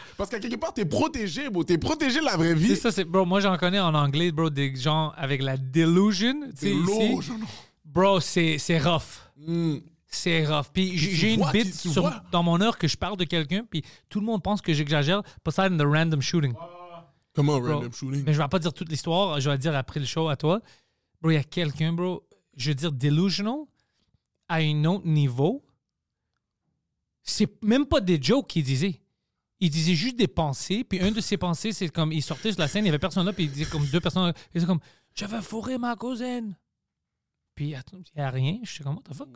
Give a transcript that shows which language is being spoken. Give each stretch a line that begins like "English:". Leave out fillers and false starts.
French: Parce qu'à quelque part, t'es protégé, bro. T'es protégé de la vraie vie. Et ça, c'est, bro, moi, j'en connais en anglais, bro, des gens avec la delusion. Delusion. Bro, c'est rough. Mm. C'est rough. Puis j'ai une bite dans mon heure que je parle de quelqu'un, puis tout le monde pense que j'exagère.
English: Beside the random shooting.
French: Comment,
English: random shooting?
French: Mais je vais pas dire toute l'histoire, je vais dire après le show à toi. Bro, il y a quelqu'un, bro, je veux dire delusional, à un autre niveau. C'est même pas des jokes qu'il disait. Il disait juste des pensées, puis une de ses pensées, c'est comme, il sortait sur la scène, il y avait personne là, puis il disait comme deux personnes, il disait comme, « Je vais fourrer ma cousine! » Puis il y a rien, je suis comme, «
English: What the fuck? »